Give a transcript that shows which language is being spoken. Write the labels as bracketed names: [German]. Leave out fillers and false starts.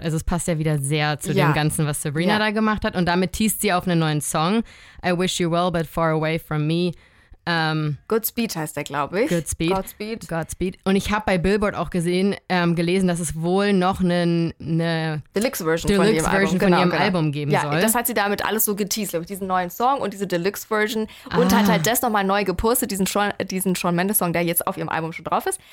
[German] Also es passt ja wieder sehr zu dem Ganzen, was Sabrina da gemacht hat. Und damit teast sie auf einen neuen Song. [English] I wish you well, but far away from me. [German] Godspeed heißt der, glaube ich. Godspeed. Und ich habe bei Billboard auch gelesen, dass es wohl noch eine Deluxe-Version von ihrem Album geben soll. Ja, das hat sie damit alles so geteased, glaube ich, diesen neuen Song und diese Deluxe-Version und hat halt das nochmal neu gepostet, diesen Shawn Mendes-Song, der jetzt auf ihrem Album schon drauf ist.